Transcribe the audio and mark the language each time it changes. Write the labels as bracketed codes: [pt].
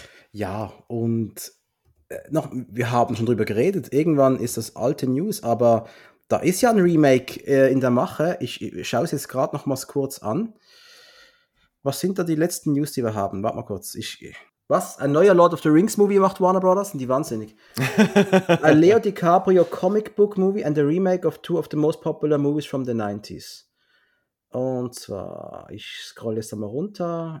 [de] Ja, und noch, wir haben schon drüber geredet. Irgendwann ist das alte News, aber da ist ja ein Remake in der Mache. Ich schaue es jetzt gerade nochmals kurz an. Was sind da die letzten News, die wir haben? Warte mal kurz. Was? Ein neuer Lord of the Rings-Movie macht Warner Brothers? Sind die wahnsinnig? [en] Ein Leo DiCaprio Comic-Book-Movie and a remake of two of the most popular movies from the 90s. [de] Und zwar, ich scroll jetzt einmal runter.